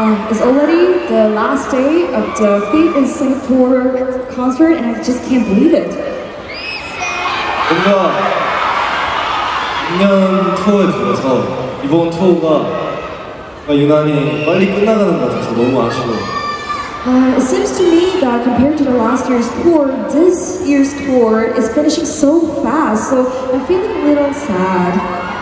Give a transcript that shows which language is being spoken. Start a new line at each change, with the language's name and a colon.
English: It's already the last day of the Fate in Singapore concert, and I just can't believe it.
Korean: 뭔가 2년 투어에 들어서 이번 투어가 유난히 빨리 끝나가는 것 같아서 너무 아쉬워.
English: It seems to me that compared to the last year's tour, this year's tour is finishing so fast, so I'm feeling a little sad.